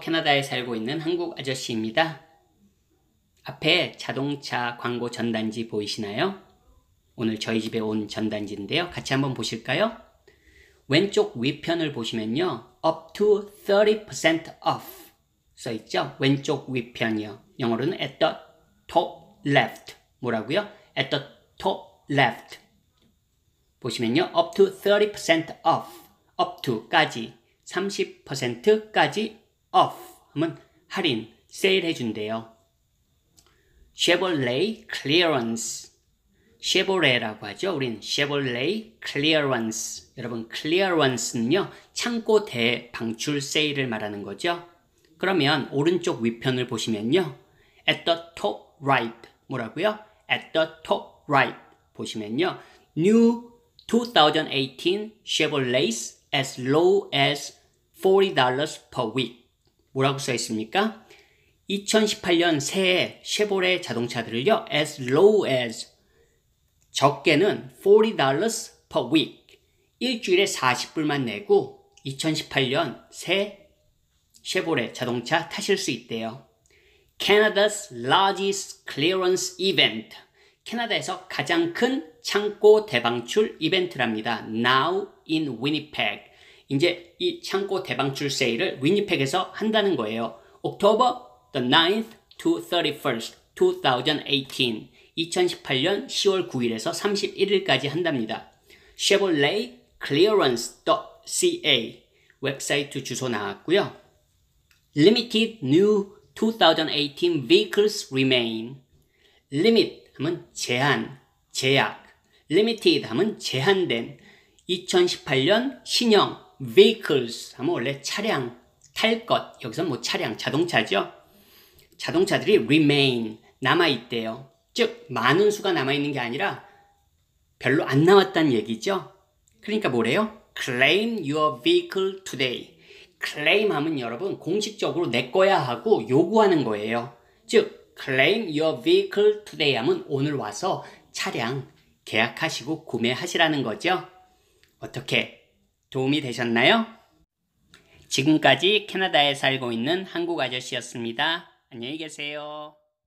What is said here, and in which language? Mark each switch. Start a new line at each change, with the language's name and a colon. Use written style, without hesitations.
Korean: 캐나다에 살고 있는 한국 아저씨입니다. 앞에 자동차 광고 전단지 보이시나요? 오늘 저희 집에 온 전단지인데요. 같이 한번 보실까요? 왼쪽 위편을 보시면요.
English: Up to 30% off
Korean: 써 있죠? 왼쪽 위편이요. 영어로는
English: at the top left.
Korean: 뭐라고요?
English: At the top left.
Korean: 보시면요.
English: Up to 30% off. Up to
Korean: 까지. 30%까지 off 하면 할인, 세일해 준대요.
English: Chevrolet Clearance. Chevrolet라고 하죠.
Korean: 우린
English: Chevrolet Clearance.
Korean: 여러분, Clearance는요, 창고 대방출 세일을 말하는 거죠. 그러면 오른쪽 위편을 보시면요.
English: At the top right.
Korean: 뭐라고요?
English: At the top right.
Korean: 보시면요.
English: New 2018 Chevrolets as low as $40 per week.
Korean: 뭐라고 써 있습니까? 2018년 새해 쉐보레 자동차들을요.
English: As low as
Korean: 적게는
English: $40 per week.
Korean: 일주일에 40불만 내고 2018년 새 쉐보레 자동차 타실 수 있대요.
English: Canada's largest clearance event.
Korean: 캐나다에서 가장 큰 창고 대방출 이벤트랍니다.
English: Now in Winnipeg.
Korean: 이제 이 창고 대방출 세일을 위니펙에서 한다는 거예요.
English: October the 9th to 31st, 2018.
Korean: 2018년 10월 9일에서 31일까지 한답니다. Chevrolet Clearance.ca 웹사이트 주소 나왔고요.
English: Limited new 2018 vehicles remain.
Korean: Limit 하면 제한, 제약. Limited 하면 제한된. 2018년 신형. Vehicles 하면 원래 차량, 탈 것. 여기서 뭐 차량, 자동차죠? 자동차들이 remain, 남아있대요. 즉, 많은 수가 남아있는 게 아니라 별로 안 남았다는 얘기죠? 그러니까 뭐래요?
English: Claim your vehicle today.
Korean: Claim 하면 여러분 공식적으로 내 거야 하고 요구하는 거예요. 즉,
English: Claim your vehicle today
Korean: 하면 오늘 와서 차량 계약하시고 구매하시라는 거죠? 어떻게? 도움이 되셨나요? 지금까지 캐나다에 살고 있는 한국 아저씨였습니다. 안녕히 계세요.